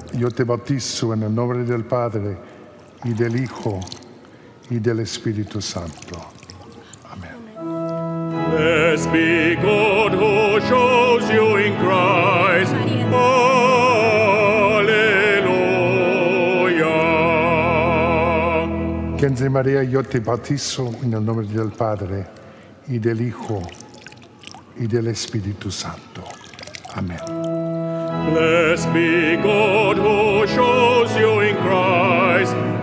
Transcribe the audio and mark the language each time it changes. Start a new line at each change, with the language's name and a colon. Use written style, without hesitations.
Spanish: Yo te bautizo en el nombre del Padre, y del Hijo, y del Espíritu Santo. Amen.
English: Blessed be God who shows you in Christ. Alleluia.
Spanish: Kenzie Maria, yo te bautizo en el nombre del Padre, y del Hijo, y del Espíritu Santo. Amen.
English: Blessed be God who shows you in Christ.